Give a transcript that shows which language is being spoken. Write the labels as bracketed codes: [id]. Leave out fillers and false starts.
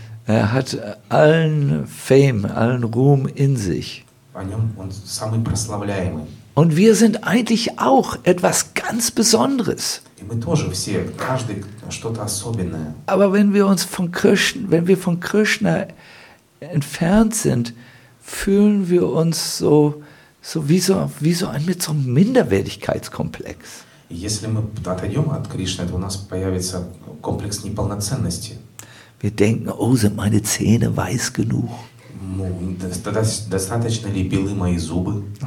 [de] Er hat allen Fame, allen Ruhm in sich. [ru] О нем он самый прославляемый. [de] Und wir sind eigentlich auch etwas ganz Besonderes. [ru] И мы тоже все, каждый что-то особенное. [de] Aber wenn wir uns von Krishna, wenn wir von Krishna entfernt sind, fühlen wir uns so wie ein Minderwertigkeitskomplex. [ru] Если мы отойдем от Кришны, то у нас появится комплекс неполноценности. [de] Wir denken, oh, sind meine Zähne weiß genug? [ru] Достаточно ли белы мои зубы?